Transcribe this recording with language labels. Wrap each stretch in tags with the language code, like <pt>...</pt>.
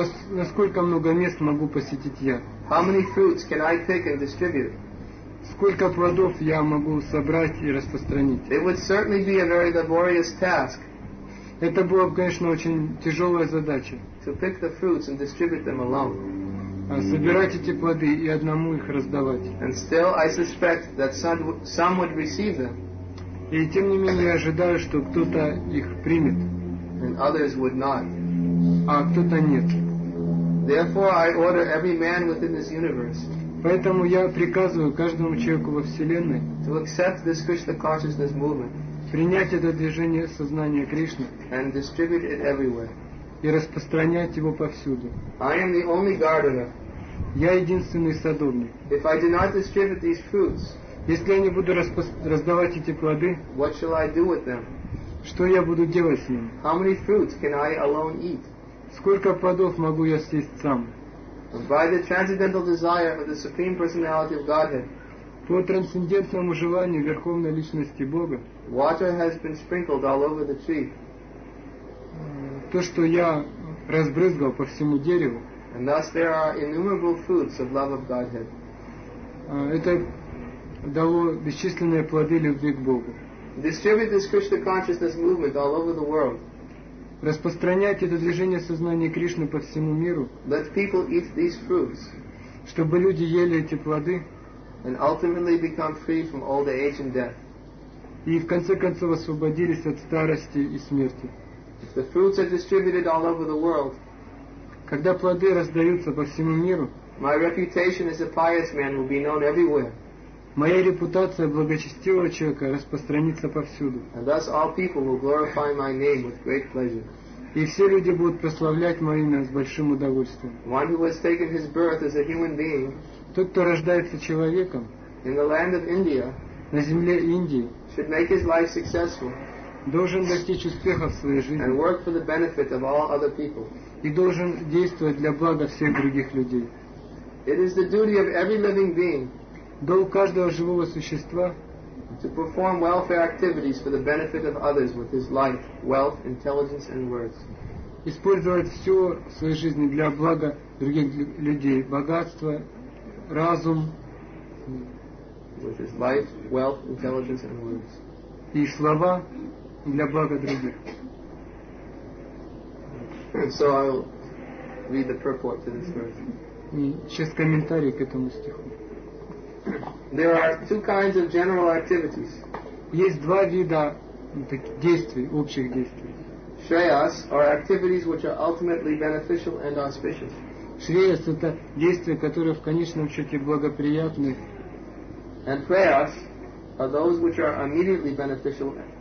<ru>Насколько много мест могу посетить я?</ru> <en>How many fruits can I pick and distribute?</en> <ru>Сколько плодов я могу собрать и распространить?</ru> <en>It would certainly be a very laborious task.</en> <ru>Это была бы, конечно, очень тяжелая задача.</ru> <en>To pick the fruits and distribute them alone.</en> <ru>Собирать эти плоды и одному их раздавать.</ru> <en>And still I suspect that some would receive them.</en> <ru>И тем не менее я ожидаю, что кто-то их примет.</ru> <en>And others would not.</en> <ru>А кто-то нет.</ru> <en>Therefore I order every man within this universe.</en> <ru>Поэтому я приказываю каждому человеку во Вселенной</ru> <en>to accept this Krishna consciousness movement,</en> <ru>принять это движение сознания Кришны</ru> <en>and distribute it everywhere.</en> <ru>И распространять его повсюду.</ru> <en>I am the only gardener.</en> <ru>Я единственный садовник.</ru> <en>If I do not distribute these fruits,</en> <ru>если я не буду раздавать эти плоды,</ru> <en>what shall I do with them?</en> <ru>Что я буду делать с ними?</ru> <en>How many fruits can I alone eat?</en> <ru>Сколько плодов могу я съесть сам?</ru> <en>By the transcendental desire of the Supreme Personality of Godhead,</en> <ru>по трансцендентному желанию Верховной Личности Бога,</ru> <en>water has been sprinkled all over the tree.</en> <ru>То, что я разбрызгал по всему дереву,</ru> <en>and thus there are innumerable fruits of love of Godhead.</en> <ru>Это дало бесчисленные плоды любви к Богу.</ru> <en>Distribute this Krishna consciousness movement all over the world.</en> <ru>Распространять это движение сознания Кришны по всему миру,</ru> <en>let people eat these fruits,</en> <ru>чтобы люди ели эти плоды,</ru> <en>and ultimately become free from old age and death.</en> <ru>И в конце концов освободились от старости и смерти.</ru> <en>If the fruits are distributed all over the world,</en> <ru>когда плоды раздаются по всему миру,</ru> <en>My reputation as a pious man will be known everywhere.</en> <ru>Моя репутация благочестивого человека распространится повсюду.</ru> <en>And thus all people will glorify my name with great pleasure.</en> <ru>И все люди будут прославлять мое имя с большим удовольствием.</ru> <en>One who has taken his birth as a human being.</en> <ru>Тот, кто рождается человеком.</ru> <en>In the land of India.</en> <ru>На земле Индии.</ru> <en>Should make his life successful.</en> <ru>Должен достичь успеха в своей жизни.</ru> <en>And work for the benefit of all other people.</en> <ru>И должен действовать для блага всех других людей.</ru> <en>It is the duty of every living being.</en> <ru>Долг каждого живого существа.</ru> <en>To perform welfare activities for the benefit of others with his life, wealth, intelligence, and words.</en> <ru>Использовать все в своей жизни для блага других людей, богатство, разум.</ru> <en>With his life, wealth, intelligence, and words.</en> <ru>И слова для блага других.</ru> <en>So I'll read the purport to this verse.</en> <ru>Сейчас комментарий к этому стиху.</ru> <en>There are two kinds of general activities.</en> <ru>Есть два вида действий, общих действий.</ru> <en>Shreyas are activities which are ultimately beneficial and auspicious.</en> <ru>Shreyas — это действия, которые в конечном счете благоприятны.</ru> <en>And prayas are those which are immediately beneficial.</en>